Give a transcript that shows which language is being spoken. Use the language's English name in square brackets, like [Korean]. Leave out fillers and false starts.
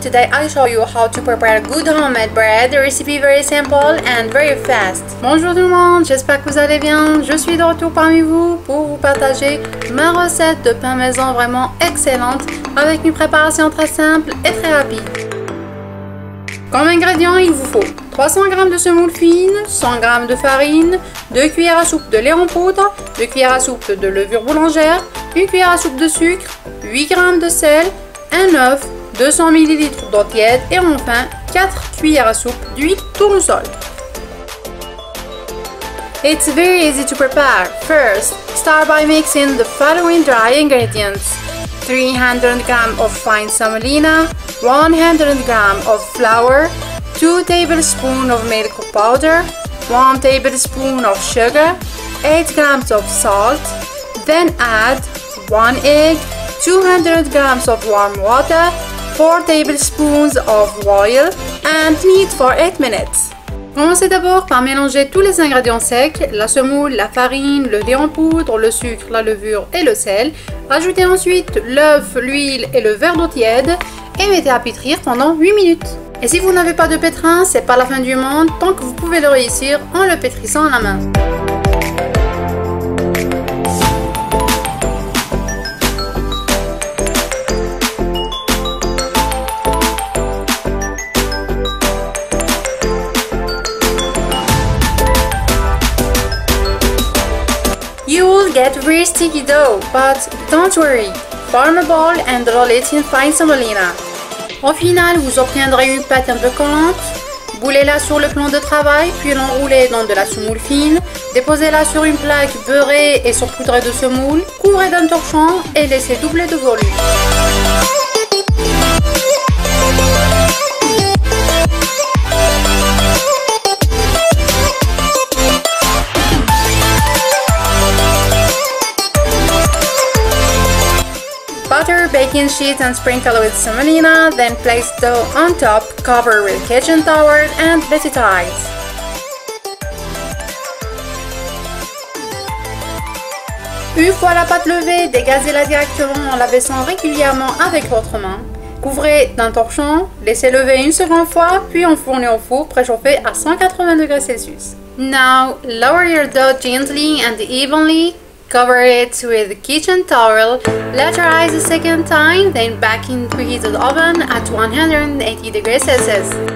[English] Today I show you how to prepare good homemade bread, a recipe very simple and very fast. [French] Bonjour tout le monde, j'espère que vous allez bien. Je suis de retour parmi vous pour vous partager ma recette de pain maison vraiment excellente avec une préparation très simple et très rapide. Comme ingrédients, il vous faut 300 g de semoule fine, 100 g de farine, 2 cuillères à soupe de lait en poudre, 2 cuillères à soupe de levure boulangère, 1 cuillère à soupe de sucre, 8 g de sel, 1 œuf, 200 ml d'eau tiède et enfin 4 cuillères à soupe d'huile tournesol. [English] It's very easy to prepare. First, start by mixing the following dry ingredients: 300 g of fine semolina, 100 g of flour, 2 tablespoons of milk powder, 1 tablespoon of sugar, 8 g of salt. Then add 1 egg, 200 g of warm water, 4 tablespoons of oil, and knead for 8 minutes. [French] Commencez d'abord par mélanger tous les ingrédients secs, la semoule, la farine, le lait en poudre, le sucre, la levure et le sel. Ajoutez ensuite l'œuf, l'huile et le verre d'eau tiède et mettez à pétrir pendant 8 minutes. Et si vous n'avez pas de pétrin, c'est pas la fin du monde tant que vous pouvez le réussir en le pétrissant à la main. [English] Get very sticky dough, but don't worry, form a ball and roll it in fine semolina. [French] Au final, vous obtiendrez une pâte un peu collante. Boulez-la sur le plan de travail, puis l'enroulez dans de la semoule fine. Déposez-la sur une plaque beurrée et saupoudrée de semoule. Couvrez d'un torchon et laissez doubler de volume. [English] Butter baking sheet and sprinkle with semolina, then place dough on top, cover with kitchen towel and let it rise. [French] Une fois la pâte levée, dégazez-la directement en la baissant régulièrement avec votre main. Couvrez d'un torchon, laissez lever une seconde fois, puis enfournez au four préchauffé à 180 degrés Celsius. [English] Now, lower your dough gently and evenly. Cover it with a kitchen towel, let rise a second time, then back in preheated oven at 180 degrees Celsius.